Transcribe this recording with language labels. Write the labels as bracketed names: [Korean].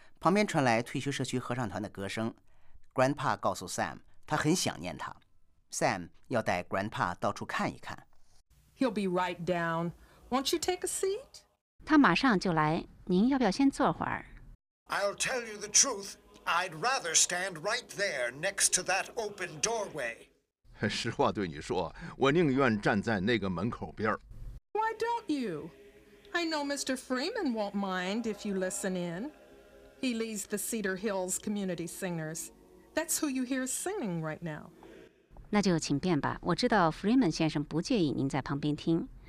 [Chinese] 旁边传来退休社区合唱团的歌声 ，Grandpa 告诉 Sam， 他很想念他。 Sam 要带 Grandpa 到处看一看。 [English] He'll be right down. Won't you take a seat? [Chinese] 他马上就来，您要不要先坐会儿 [English] ？I'll tell you the truth. I'd rather stand right there next to that open doorway. [Chinese] 实话对你说，我宁愿站在那个门口边。 [English] Why don't you? I know Mr. Freeman won't mind if you listen in. He leads the Cedar Hills Community Singers. That's who you hear singing right now. [Chinese] 那就请便吧。我知道 Freeman 先生不介意您在旁边听。